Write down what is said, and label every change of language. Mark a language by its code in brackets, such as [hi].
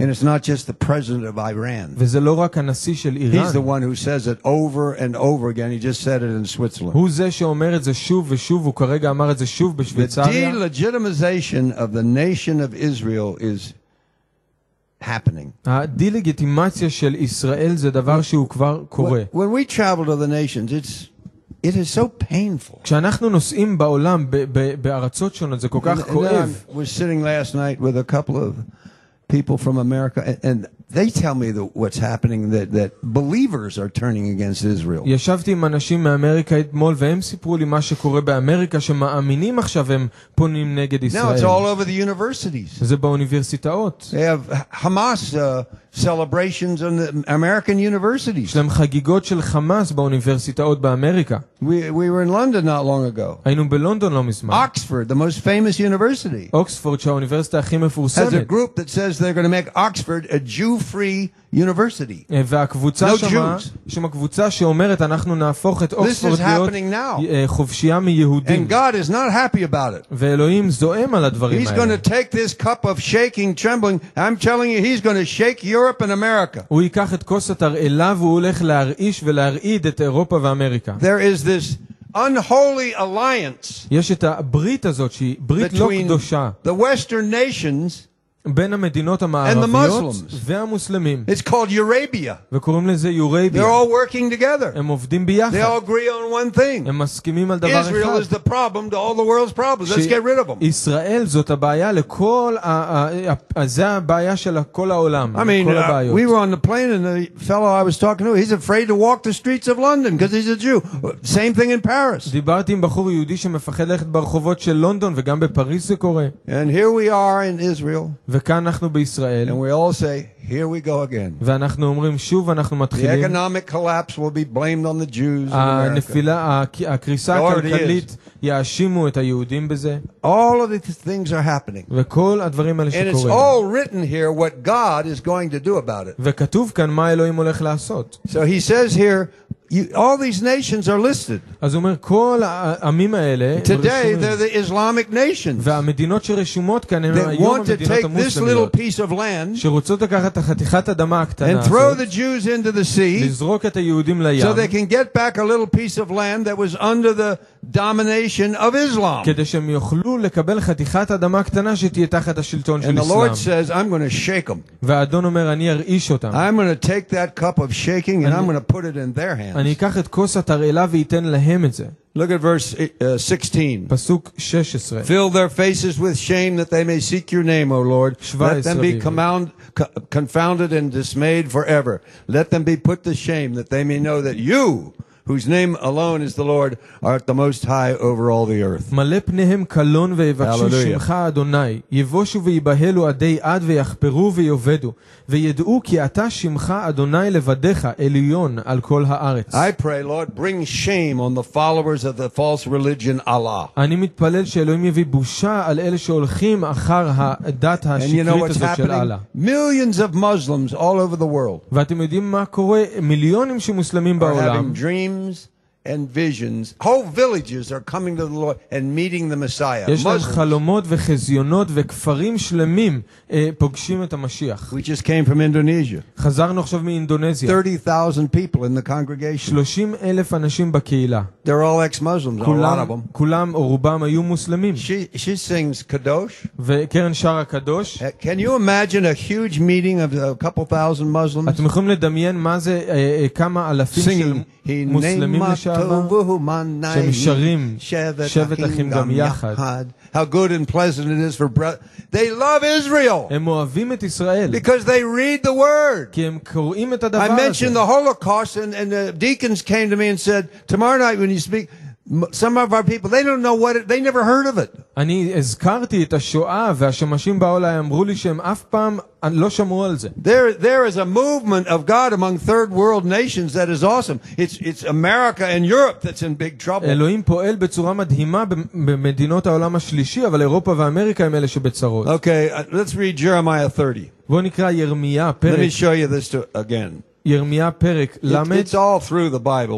[en] And it's not just the president of Iran. [he] וזה לא רק הנשיא של איראן. [en] He's the one who says it over and over again. He just said it in Switzerland. [he] הוא זה שאומר את זה שוב ושוב, הוא כרגע אמר את זה שוב בשוויצריה. [en] The delegitimization of the nation of Israel is happening. [he] הדילגיטימציה של ישראל זה דבר שהוא כבר קורה. [en] When we travel to the nations, it is so painful. [he] כשאנחנו נוסעים בעולם בארצות שונות זה כל כך כואב. [en] I was sitting last night with a couple of people from America and they tell me that what's happening that believers are turning against Israel. [he] ישבתי עם אנשים מאמריקה אתמול והם סיפרו לי מה שקורה באמריקה שמאמינים עכשיו הם פונים נגד ישראל. [en] Now it's all over the universities. [he] זה באוניברסיטאות. [en] They have Hamas celebrations in the American universities. [he] יש להם חגיגות של חמאס באוניברסיטאות באמריקה. [en] We were in London not long ago. [he] היינו בלונדון לא מזמן. [en] Oxford, the most famous university. [he] אוקספורד, האוניברסיטה הכי מפורסמת. [en] Has a group that says they're going to make Oxford a Jew-free university. [he] והקבוצה שמה, קבוצה שאומרת אנחנו נהפוך את אוקספורד להיות חופשייה מיהודים. [en] And God is not happy about it. [he] ואלוהים זועם על הדברים האלה. [en] He's going to take this cup of shaking, trembling. I'm telling you, he's going to shake Europe and America. [he] הוא ייקח את כוס התרעלה והוא הולך להרעיש ולהרעיד את אירופה ואמריקה. [en] There is this unholy alliance. [he] יש את הברית הזאת שהיא ברית לא קדושה. [en] The Western nations [he] בין המדינות המערביות והמוסלמים. [en] It's called Eurabia. [he] וקוראים לזה יורביה. [en] They're all working together. [he] הם עובדים ביחד. [en] They all agree on one thing. [he] הם מסכימים על דבר אחד. [en] Israel is the problem to all the world's problems. Let's get rid of them. [he] ישראל זאת הבעיה לכל זה הבעיה של כל העולם. [en] I mean, we were on the plane and the fellow I was talking to, he's afraid to walk the streets of London because he's a Jew. Same thing in Paris. [he] דיברתי עם בחור יהודי שמפחד ללכת ברחובות של לונדון וגם בפריז זה קורה. [en] And here we are in Israel. [he] וכאן אנחנו בישראל. [en] And we all say, here we go again. [he] ואנחנו אומרים שוב, אנחנו מתחילים. [en] The economic collapse will be blamed on the Jews in America. [he] הנפילה, הקריסה הכלכלית, יאשימו את היהודים בזה. [en] All of these things are happening. [he] וכל הדברים האלה שקורים. [en] And it's all written here what God is going to do about it. [he] וכתוב כאן מה אלוהים הולך לעשות. [en] So he says here, all these nations are listed. [he] אז אומר כל העמים האלה [en] today they're the Islamic nations. [he] והמדינות שרשומות כאן הן היום המדינות המוסלמיות. [en] They want to take this little piece of land. [he] שרוצות לקחת חתיכת אדמה קטנה. [en] And throw the Jews into the sea. [he] לזרוק את היהודים לים. [en] So they can get back a little piece of land that was under the domination of Islam. [he] כדי שהם יוכלו לקבל חתיכת אדמה קטנה שתהיה תחת השלטון של אסלאם. [en] And the Lord says I'm going to shake them. [he] והאדון אומר אני ארעיש אותם. [en] I'm going to take that cup of shaking and I'm going to put it in their hands. [he] אני אקח את כוס התרעלה ואתן להם את זה. [en] Look at verse 16. [he] פסוק 16. [en] Fill their faces with shame that they may seek your name, O Lord. Let them be confounded and dismayed forever. Let them be put to shame that they may know that you, whose name alone is the Lord, are at the most high over all the earth. [he] מלא פניהם קלון ויבקשו שמך אדוני. יבושו ויבהלו עדי עד ויחפרו ויובדו. וידעו כי אתה שמך אדוני לבדך עליון על כל הארץ. [en] I pray, Lord, bring shame on the followers of the false religion Allah. [he] אני מתפלל שאלוהים יביא בושה על אלה שהולכים אחר הדת השקרית הזאת של אללה. [en] Millions of Muslims all over the world. [he] ואתם יודעים מה קורה? מיליונים של מוסלמים בעולם. [en] Dreams and visions, whole villages are coming to the Lord and meeting the Messiah. [he] יש להם חלומות וחזיונות וכפרים שלמים פוגשים את המשיח. [en] We just came from Indonesia. [he] חזרנו עכשיו מאינדונזיה. [en] 30,000 people in the congregation. [he] 30,000 אנשים בקהילה. [en] They're all ex-Muslims, a lot of them. [he] כולם או רובם היו מוסלמים. [en] She sings Kadosh. [he] וקרן שרה קדוש. [en] Can you imagine a huge meeting of a couple thousand Muslims? [he] אתם יכולים לדמיין מה זה כמה אלפים של מוסלמים שמשרים שבט אחים גם יחד. [en] How good and pleasant it is for brothers. They love Israel. [he] הם אוהבים את ישראל. [en] Because they read the word. [he] כי הם קוראים את הדבר הזה. [en] I mentioned the Holocaust and the deacons came to me and said, tomorrow night when you speak, Some of our people, they don't know what it, they never heard of it. [he] אני הזכרתי את השואה והשמשים בעולם אמרו לי שהם אף פעם לא שמעו על זה. [en] There is a movement of God among third world nations that is awesome. It's America and Europe that's in big trouble. [he] אלוהים פועל בצורה מדהימה במדינות העולם השלישי, אבל אירופה ואמריקה הם אלה שבצרות. [en] Okay, let's read Jeremiah 30. [he] בוא נקרא ירמיה פרק. [en] Let me show you this again. [he] ירמיה פרק למד. [en] It's all through the Bible.